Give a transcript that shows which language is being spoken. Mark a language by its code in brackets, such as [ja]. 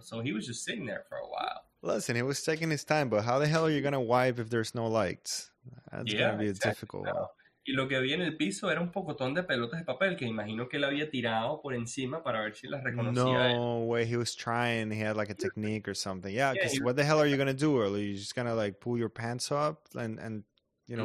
[en] So he was just sitting there for a while. Listen, he was taking his time, but how the hell are you going to wipe if there's no lights? That's going to be a difficult one. [es] Y lo que había en el piso era un pocotón de pelotas de papel que imagino que él había tirado por encima para ver si las reconocía él. [en] No way, he was trying. He had like a technique or something. Yeah, because what the hell are you gonna do? Are you just gonna like pull your pants up and you know